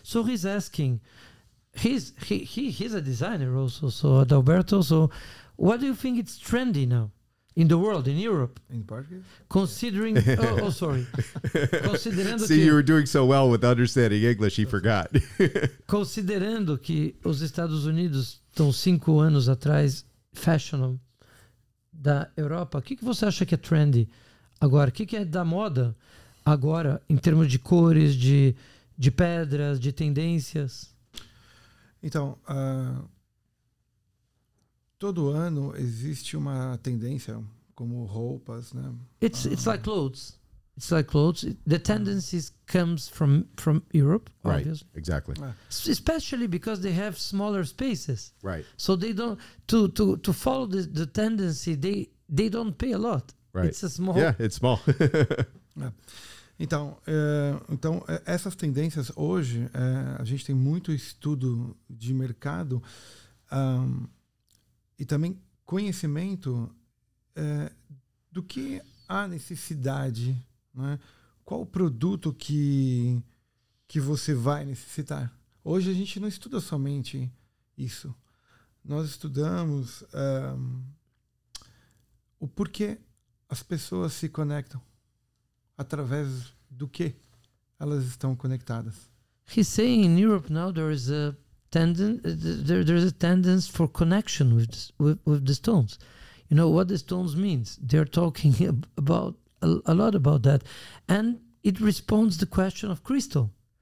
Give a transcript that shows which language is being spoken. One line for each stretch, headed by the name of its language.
English: So he's asking, he's a designer also, so Adalberto, so what do you think it's trendy now? In the world, in Europe. In Portuguese? Considering... Oh, sorry.
Portuguese: Considerando
English: See, que you were doing so well with understanding English, he forgot.
Portuguese: Considerando que os Estados Unidos estão 5 anos atrás, fashion da Europa, o que, que você acha que é trendy agora? O que, que é da moda agora, em termos de cores, de pedras, de tendências? Então... Todo ano existe uma tendência, como roupas, né?
English: It's like clothes. It's like clothes. The tendency comes from Europe, right, obviously. Right, exactly. Especially because they have smaller spaces. Right. So they don't... To follow the tendency, they don't pay a lot. Right. It's a small... Yeah, it's small.
Portuguese: Então, essas tendências hoje, a gente tem muito estudo de mercado... E também conhecimento do que há necessidade, né? Qual o produto que você vai necessitar. Hoje a gente não estuda somente isso. Nós estudamos o porquê as pessoas se conectam, através do que elas estão conectadas.
English: He's saying in Europe now there is a there's a tendency for connection with the stones. You know what the stones means. They're talking about a lot about that, and it responds to the question of crystal.